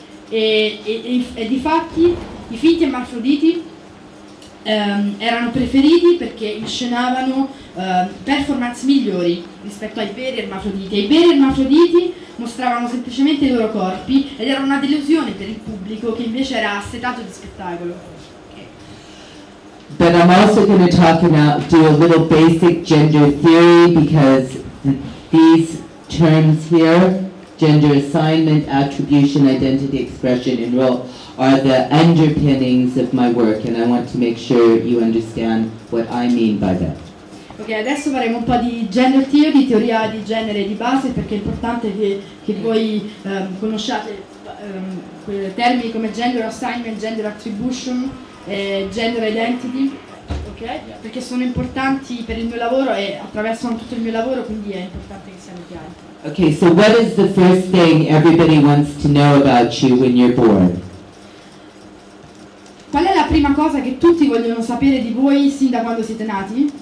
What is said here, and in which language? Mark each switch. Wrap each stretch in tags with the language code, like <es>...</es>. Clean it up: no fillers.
<it>E di fatti i finti ermafroditi erano preferiti perché inscenavano performance migliori rispetto ai veri ermafroditi. E i veri ermafroditi mostravano semplicemente i loro corpi ed era una delusione per il pubblico che invece era assetato di spettacolo.</it> <en>But I'm also going to talk about, do a little basic gender theory, because these terms here, gender assignment, attribution, identity, expression, and role, are the underpinnings of my work, and I want to make sure you understand what I mean by that.</en> <it>Okay, adesso faremo un po' di gender theory, teoria di genere di base, perché è importante che voi conosciate quei termini come gender assignment, gender attribution, gender identity, ok? Perché sono importanti per il mio lavoro e attraversano tutto il mio lavoro, quindi è importante che siano chiari.</it> <en>Okay, so what is the first thing everybody wants to know about you when you're born?</en> <it>Qual è la prima cosa che tutti vogliono sapere di voi sin da quando siete nati?</it>